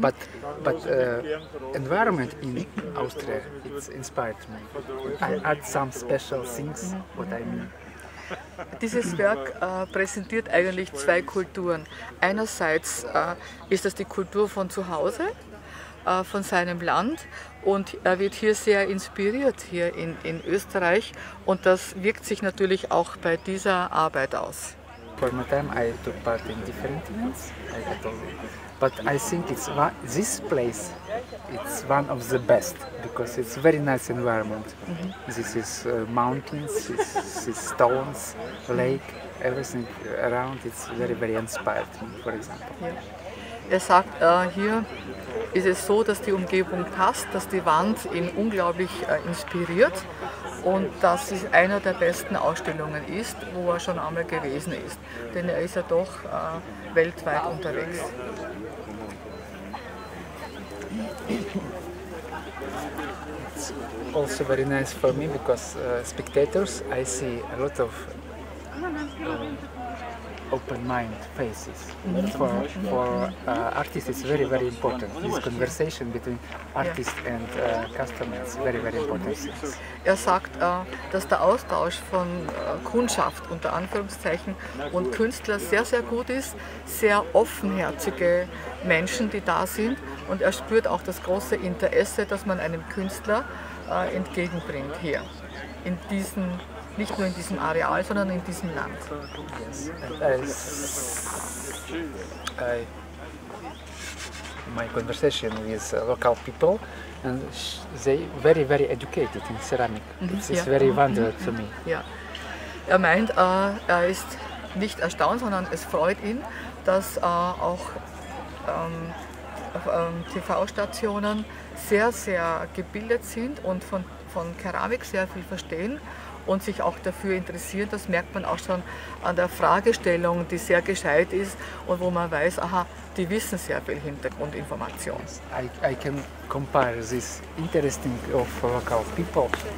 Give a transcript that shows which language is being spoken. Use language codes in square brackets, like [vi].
[en] But environment in Austria, it inspired me. I add some special things, what I mean. [de] Dieses Werk präsentiert eigentlich zwei Kulturen. Einerseits ist das die Kultur von zu Hause, von seinem Land, und er wird hier sehr inspiriert, hier in Österreich, und das wirkt sich natürlich auch bei dieser Arbeit aus. [en] For my time I took part in different events, but I think it's this place, it's one of the best, because it's very nice environment. Mm-hmm. This is mountains, this stones, lake, everything around, it's very, very inspired me, for example. Yeah. [de] Er sagt, hier ist es so, dass die Umgebung passt, dass die Wand ihn unglaublich inspiriert und dass es einer der besten Ausstellungen ist, wo er schon einmal gewesen ist. Denn er ist ja doch weltweit unterwegs. [en] It's also very nice for me because spectators, I see a lot of open mind faces. Mm-hmm. For artists it's very, very important. This conversation between artist and customer is very, very important. [de] Er sagt, dass der Austausch von Kundschaft unter Anführungszeichen und Künstler sehr, sehr gut ist, sehr offenherzige Menschen, die da sind, und er spürt auch das große Interesse, das man einem Künstler entgegenbringt hier in diesen, nicht nur in diesem Areal, sondern in diesem Land. [en] Yes. I my conversation with local people and they very, very educated in ceramic. This is very wonderful to me. Yeah. [de] Er meint, er ist nicht erstaunt, sondern es freut ihn, dass auch TV-Stationen sehr, sehr gebildet sind und von Keramik sehr viel verstehen und sich auch dafür interessieren. Das merkt man auch schon an der Fragestellung, die sehr gescheit ist und wo man weiß, aha, die wissen sehr viel Hintergrundinformation. [en] I can compare this interesting of local people.